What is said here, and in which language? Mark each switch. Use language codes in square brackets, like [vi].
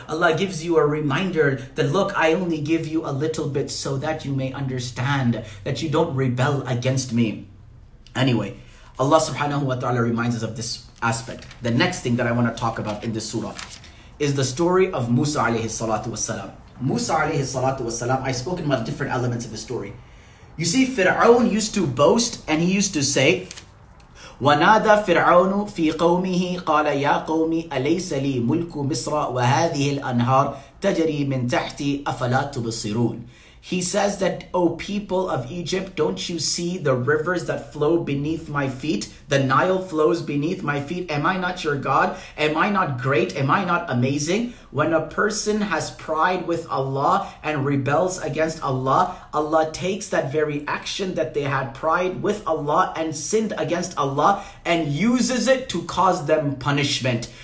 [en] Allah gives you a reminder that, look, I only give you a little bit so that you may understand that you don't rebel against me. Anyway, Allah subhanahu wa ta'ala reminds us of this aspect. The next thing that I want to talk about in this surah is the story of Musa alayhi salatu wasalam. Musa alayhi salatu wasalam, I've spoken about different elements of his story. You see, Fir'aun used to boast and he used to say, [ar] وَنَادَى فِرْعَوْنُ فِي قَوْمِهِ قَالَ يَا قَوْمِ أَلَيْسَ لِي مُلْكُ مِصْرَ وَهَذِهِ الْأَنْهَارِ تَجَرِي مِنْ تَحْتِي أَفَلَا تُبْصِرُونَ. [en] He says that, O people of Egypt, don't you see the rivers that flow beneath my feet? The Nile flows beneath my feet. Am I not your God? Am I not great? Am I not amazing? When a person has pride with Allah and rebels against Allah, Allah takes that very action that they had pride with Allah and sinned against Allah and uses it to cause them punishment.